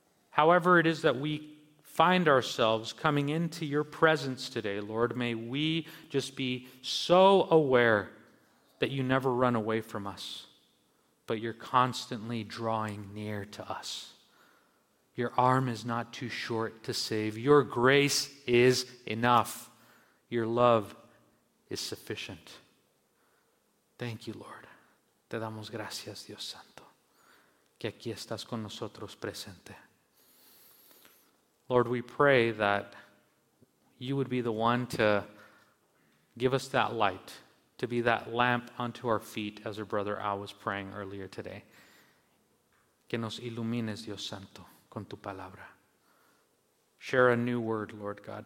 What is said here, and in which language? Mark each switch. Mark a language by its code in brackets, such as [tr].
[en] However it is that we find ourselves coming into your presence today, Lord, may we just be so aware that you never run away from us, but you're constantly drawing near to us. Your arm is not too short to save. Your grace is enough. Your love is sufficient. Thank you, Lord. [es] Te damos gracias, Dios Santo, que aquí estás con nosotros presente. [en] Lord, we pray that you would be the one to give us that light, to be that lamp unto our feet, as our brother Al was praying earlier today. [es] Que nos ilumines, Dios Santo, con tu palabra. [en] Share a new word, Lord God.